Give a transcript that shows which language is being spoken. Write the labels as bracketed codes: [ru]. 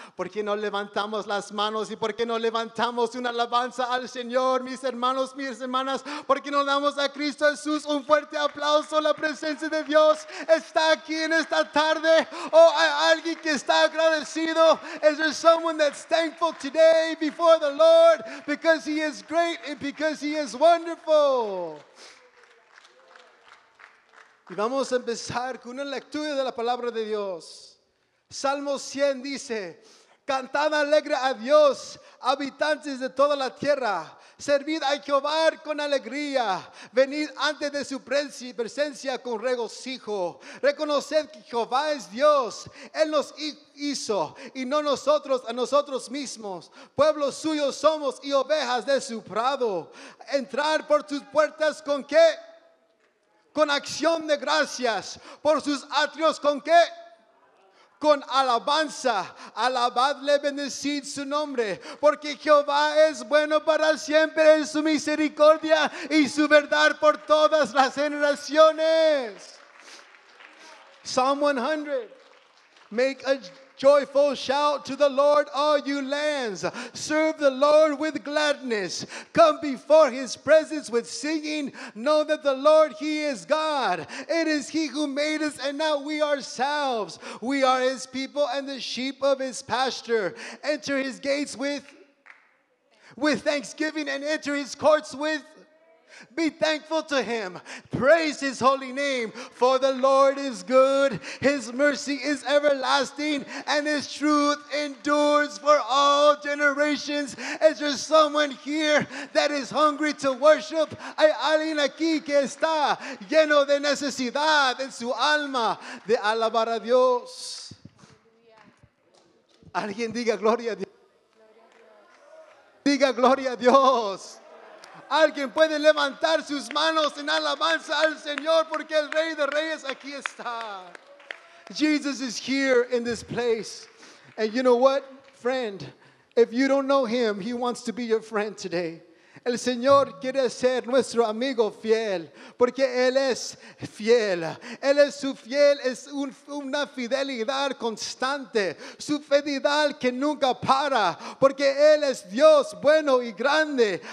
[es] ¿Por qué no levantamos las manos y por qué no levantamos una alabanza al Señor, mis hermanos, mis hermanas? ¿Por qué no damos a Cristo Jesús un fuerte aplauso? La presencia de Dios está aquí en esta tarde. Oh, ¿hay alguien que está agradecido? [en] Is there someone that's thankful today before the Lord because He is great and because He is wonderful? [es] Y vamos a empezar con una lectura de la palabra de Dios. Salmo 100 dice: Cantad alegre a Dios, habitantes de toda la tierra. Servid a Jehová con alegría. Venid ante de su presencia con regocijo. Reconoced que Jehová es Dios. Él nos hizo y no nosotros a nosotros mismos. Pueblo suyo somos y ovejas de su prado. Entrar por sus puertas con qué? Con acción de gracias. Por sus atrios con qué? Con alabanza. Alabadle, bendecid su nombre, porque Jehová es bueno para siempre en su misericordia y su verdad por todas las generaciones. [en] Psalm 100. Make a joyful shout to the Lord, all you lands. Serve the Lord with gladness. Come before His presence with singing. Know that the Lord, He is God. It is He who made us, and not we ourselves. We are His people and the sheep of His pasture. Enter His gates with thanksgiving and enter His courts with Be thankful to Him. Praise His holy name. For the Lord is good. His mercy is everlasting. And His truth endures for all generations. Is there someone here that is hungry to worship? [es] Hay alguien aquí que está lleno de necesidad en su alma de alabar a Dios. Alguien diga gloria a Dios. Diga gloria a Dios. Alguien puede levantar sus manos en alabanza al Señor porque el Rey de Reyes aquí está. [en] Jesus is here in this place. And you know what, friend? If you don't know Him, He wants to be your friend today. [es] El Señor quiere ser nuestro amigo fiel porque Él es fiel. Él es su fiel, es una fidelidad constante, su fidelidad que nunca para porque Él es Dios bueno y grande.